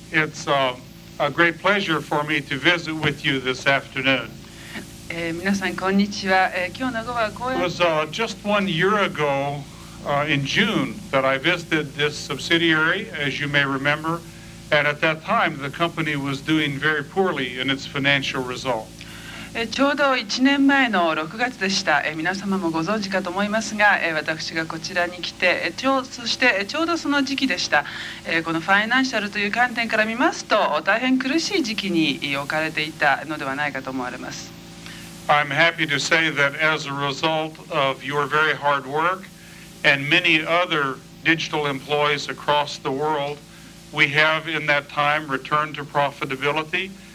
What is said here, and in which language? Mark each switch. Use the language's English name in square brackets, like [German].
[English] It's a great pleasure for me to visit with you this afternoon. It was just 1 year ago in June that I visited this subsidiary, as you may remember, and at that time the company was doing very poorly in its financial results. [Japanese] ちょうど1年前の6月でした。皆様もご存知かと思いますが、私がこちらに来て、そしてちょうどその時期でした。このファイナンシャルという観点から見ますと、大変苦しい時期に置かれていたのではないかと思われます。 [English] I'm happy to say that as a result of your very hard work and many other digital employees across the world, we have in that time returned to profitability.